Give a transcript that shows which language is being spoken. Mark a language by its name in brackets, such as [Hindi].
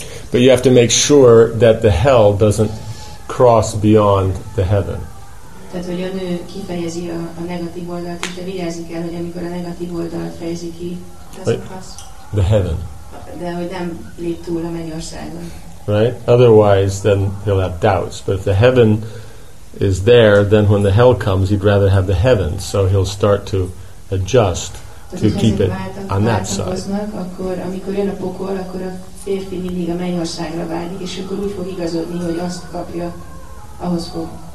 [English] But you have to make sure that the hell doesn't cross beyond the heaven. [Hungarian] Tehát, hogy a nő kifejezi a negatív oldalt, és de vigyázni kell, hogy amikor a negatív oldalt fejezi ki, [English] the heaven. [Hungarian] De hogy nem lép túl a mennyországon. [English] Right? Otherwise, then he'll have doubts. But if the heaven is there, then when the hell comes, he'd rather have the heaven. So he'll start to adjust to keep it on that side. [Hungarian] Akkor, amikor jön a pokol, akkor a férfi mindig a mennyországra vágyik, és akkor úgy fog igazodni, hogy azt kapja, ahhoz fog.